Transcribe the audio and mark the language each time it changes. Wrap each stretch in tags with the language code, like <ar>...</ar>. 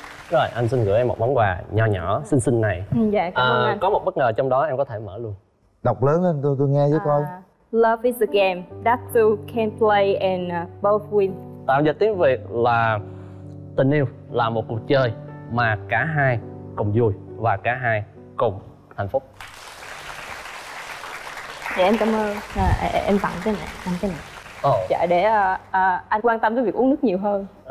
<vi>Rồi, anh xin gửi em một món quà nhỏ nhỏ, xinh xinh này. Dạ, cảm ơn anh. Có một bất ngờ trong đó, em có thể mở luôn. Đọc lớn lên, tôi nghe với coi.</vi> <en>Love is a game that two can play and both win.</en> <vi>Tạm dịch tiếng Việt là tình yêu là một cuộc chơi mà cả hai cùng vui và cả hai cùng hạnh phúc. Dạ, em cảm ơn. Em tặng cái này, tặng cái này. Oh. Dạ, để anh quan tâm tới việc uống nước nhiều hơn.</vi>